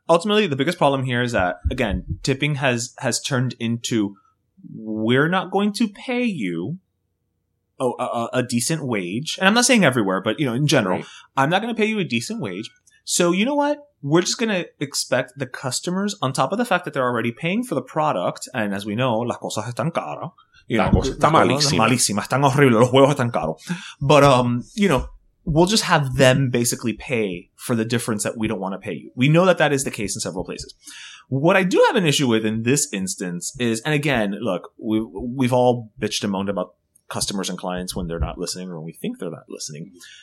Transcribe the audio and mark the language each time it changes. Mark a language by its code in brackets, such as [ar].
[en] Ultimately, the biggest problem here is that, again, tipping has turned into, we're not going to pay you a decent wage. And I'm not saying everywhere, but, you know, in general, right. I'm not going to pay you a decent wage. So you know what? We're just going to expect the customers, on top of the fact that they're already paying for the product, and as we know, [es] las cosas están caras. Las cosas están malísimas, están horribles, los huevos están caros. [en] But, you know, we'll just have them basically pay for the difference that we don't want to pay you. We know that that is the case in several places. What I do have an issue with in this instance is, and again, look, we've all bitched and moaned about customers and clients when they're not listening or when we think they're not listening.